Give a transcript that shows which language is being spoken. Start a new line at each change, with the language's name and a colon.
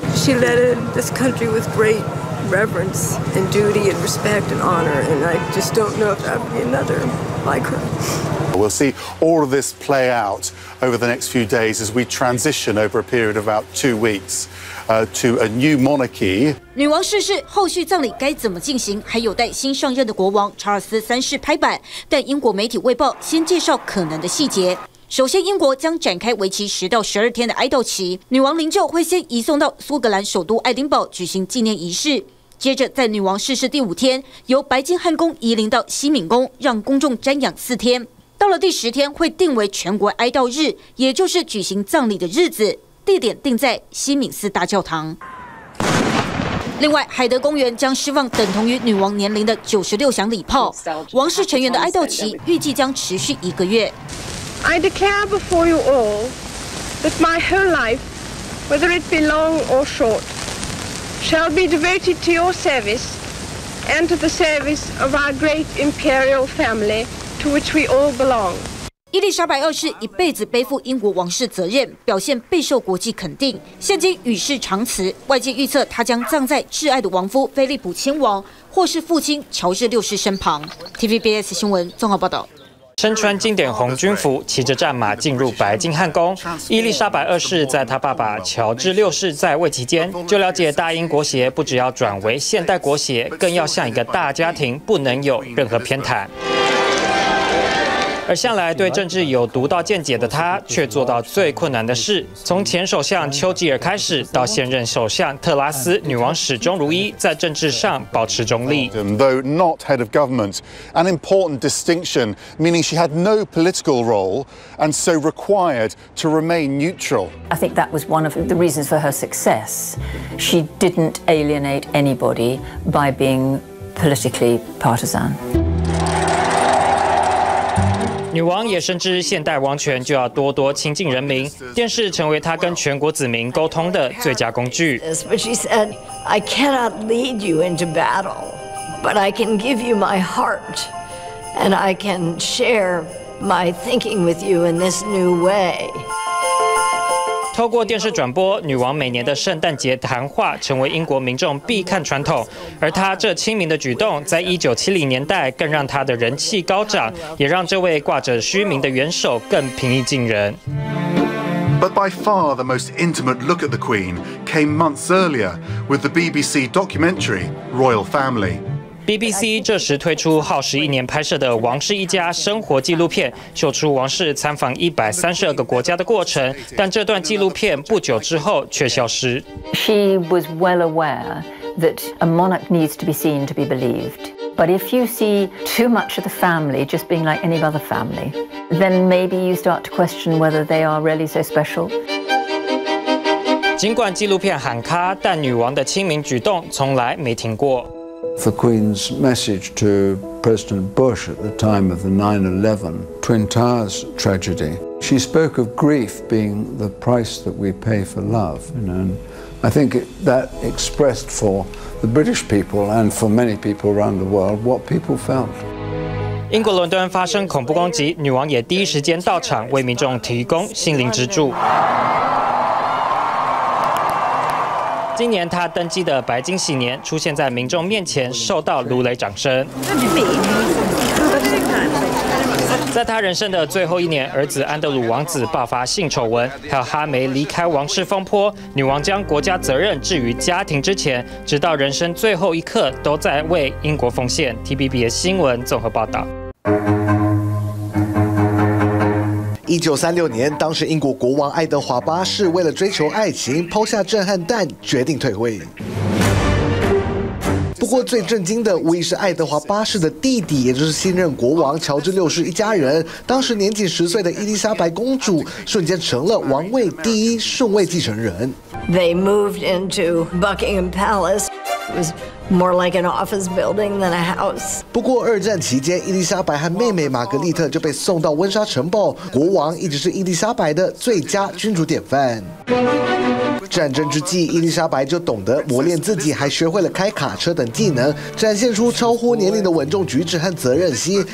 English: She led in this country with great reverence and duty and respect and honor, and I just don't know if that would be another like her. We'll see all of this play out over the next few days as we transition over a period of about 2 weeks. To a new monarchy.
Chinese: 女王逝世，后续葬礼该怎么进行，还有待新上任的国王查尔斯三世拍板。但英国媒体《卫报》先介绍可能的细节。首先，英国将展开为期10到12天的哀悼期，女王灵柩会先移送到苏格兰首都爱丁堡举行纪念仪式。接着，在女王逝世第五天，由白金汉宫移灵到西敏宫，让公众瞻仰4天。到了第10天，会定为全国哀悼日，也就是举行葬礼的日子。地点定在西敏寺大教堂。另外，海德公园将释放等同于女王年龄的96响礼炮。王室成员的哀悼期预计将持续一个月。
English: I declare before you all that my whole life, whether it be long or short, shall be devoted to your service and to the service of our great imperial family to which we all belong.
Chinese: 伊丽莎白二世一辈子背负英国王室责任，表现备受国际肯定。现今与世长辞，外界预测她将葬在挚爱的亡夫菲利普亲王或是父亲乔治六世身旁。 TVBS 新闻综合报道。身穿经典红军服，骑着战马进入白金汉宫。伊丽莎白二世在她爸爸乔治六世在位期间，就了解大英国协不只要转为现代国协，更要像一个大家庭，不能有任何偏袒。而向来对政治有独到见解的他，却做到最困难的事。从前首相丘吉尔开始，到现任首相特拉斯，女王始终如一，在政治上保持中立。
English: Though not head of government, an important distinction, meaning she had no political role, and so required to remain neutral. I think that was one of the reasons for her success. She didn't alienate anybody by being politically partisan.
Chinese: 女王也深知现代王权就要多多亲近人民，电视成为她跟全国子民沟通的最佳工具。
English: She said, "I cannot lead you into battle, but I can give you my heart, and I can share my thinking with you in this new way."
Chinese: 透过电视转播，女王每年的圣诞节谈话成为英国民众必看传统。而她这亲民的举动，在1970年代更让她的人气高涨，也让这位挂着虚名的元首更平易近人。
English: But by far the most intimate look at the Queen came months earlier with the BBC documentary Royal Family.
Chinese: BBC 这时推出耗时一年拍摄的《王室一家》生活纪录片，秀出王室参访132个国家的过程。但这段纪录片不久之后却消失。
English: She was well aware that a monarch needs to be seen to be believed. But if you see too much of the family just being like any other family, then maybe you start to question whether they are really so special.
Chinese: 尽管纪录片喊卡，但女王的亲民举动从来没停过。
English: The Queen's message to President Bush at the time of the 9/11 Twin Towers tragedy. She spoke of grief being the price that we pay for love. You know, and I think that expressed for the British people and for many people around the world what people felt.
Chinese: 英国伦敦发生恐怖攻击，女王也第一时间到场为民众提供心灵支柱。今年他登基的白金禧年，出现在民众面前，受到如雷掌声。在他人生的最后一年，儿子安德鲁王子爆发性丑闻，还有哈梅离开王室风波，女王将国家责任置于家庭之前，直到人生最后一刻都在为英国奉献。 TBB 的新闻综合报道。 1936年，当时英国国王爱德华八世为了追求爱情，抛下震撼弹，决定退位。不过最震惊的无疑是爱德华八世的弟弟，也就是新任国王乔治六世一家人。当时年仅10岁的伊丽莎白公主，瞬间成了王位第一顺位继承人。
English: They moved into Buckingham Palace. It was more like an office building than a house.
Chinese: 不过二战期间，伊丽莎白和妹妹玛格丽特就被送到温莎城堡，国王一直是伊丽莎白的最佳君主典范。战争之际，伊丽莎白就懂得磨练自己，还学会了开卡车等技能，展现出超乎年龄的稳重举止和责任心。